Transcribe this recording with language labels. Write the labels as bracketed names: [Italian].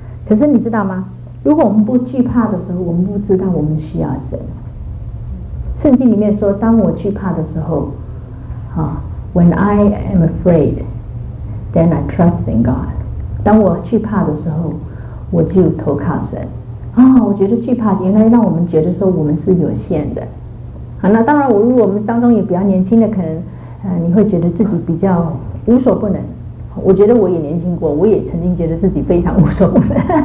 [Chinese] 可是你知道吗，如果我们不惧怕的时候，我们不知道我们需要神。圣经里面说，当我惧怕的时候， [English] When I am afraid, then I trust in God. [Chinese] 当我惧怕的时候，我就投靠神。我觉得惧怕原来让我们觉得说我们是有限的。那当然，如果我们当中有比较年轻的，可能你会觉得自己比较无所不能。我觉得我也年轻过，我也曾经觉得自己非常无所不能。